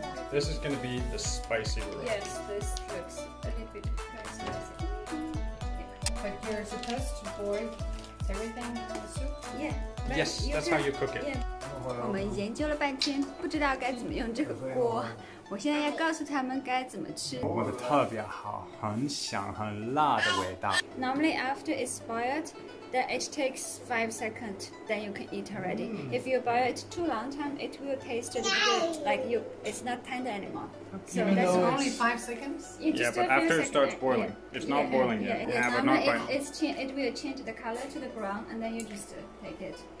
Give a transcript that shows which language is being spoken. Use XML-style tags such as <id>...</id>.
<en>This is going to be the spicy roux. Yes, this looks a little bit spicy. But you're supposed to boil everything in the soup? Yeah. Yes, that's how you cook it.</en> <zh>我们研究了半天，不知道该怎么用这个锅。我现在要告诉他们该怎么吃。我的特别好，很香很辣的味道。</zh> <en>Normally after it's boiled, then it takes 5 seconds, then you can eat already. If you boil it too long time, it will taste a little bit like you, it's not tender anymore. So that's only 5 seconds? Yeah, but after it starts boiling. It's not boiling yet. It will change the color to the brown, and then you just take it.</en>